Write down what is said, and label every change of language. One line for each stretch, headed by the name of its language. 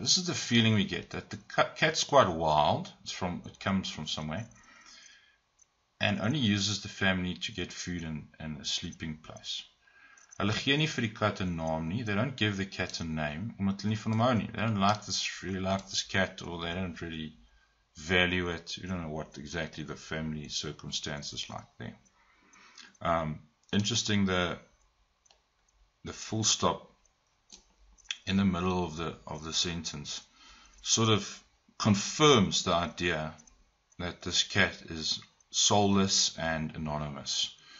English: This is the feeling we get, that the cat's quite wild. It comes from somewhere. And only uses the family to get food and a sleeping place.
Afrikaans: Hulle gee nie vir die kat 'n naam nie.
English: They don't give the cat a name.
Afrikaans: Omdat hulle nie van hom hou nie.
English: They don't like this, really like this cat, or they don't really value it. You don't know what exactly the family circumstances like there. Interesting, the full stop in the middle of the sentence sort of confirms the idea that this cat is soulless and anonymous.